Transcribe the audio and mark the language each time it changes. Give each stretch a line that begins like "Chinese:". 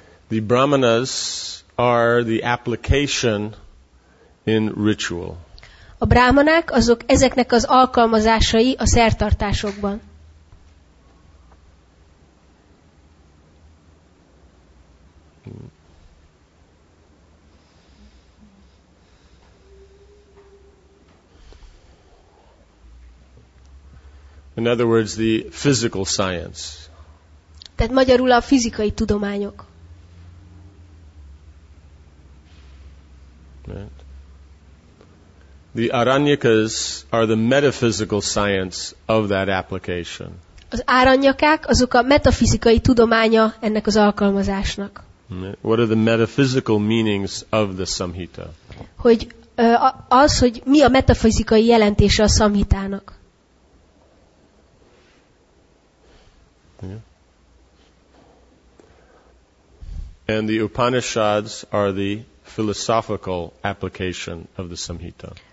English: The Brahmanas are the application in ritual.
Hungarian: A brahmanák azok ezeknek az alkalmazásai a szertartásokban.
English: In other words, the physical science.
Hungarian: Tehát magyarul a fizikai tudományok.
English: Right. The Aranyakas are the metaphysical science of that application.
Hungarian: Az aranyakák azok a metafizikai tudománya ennek az alkalmazásnak.
English: Right. What are the metaphysical meanings of the Samhita?
Hungarian: Hogy az, hogy mi a metafizikai jelentése a Samhitának.
English: And the Upanishads are the philosophical application of the Samhita.